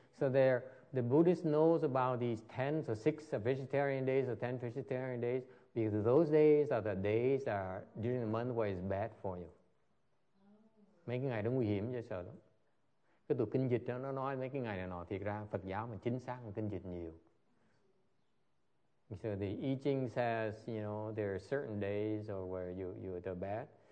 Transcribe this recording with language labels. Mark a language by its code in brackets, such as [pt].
[en] So there, the Buddhist knows about these 10 or 6 vegetarian days or 10 vegetarian days because those days are the days that are during the month where it's bad for you. [vi] Mấy cái ngày đó nguy hiểm cho sợ lắm. Cái tụi kinh dịch đó, nó nói mấy cái ngày này nọ thiệt ra Phật giáo mà chính xác là kinh dịch nhiều. [en] So the I Ching says, you know, there are certain days or where you are the bad.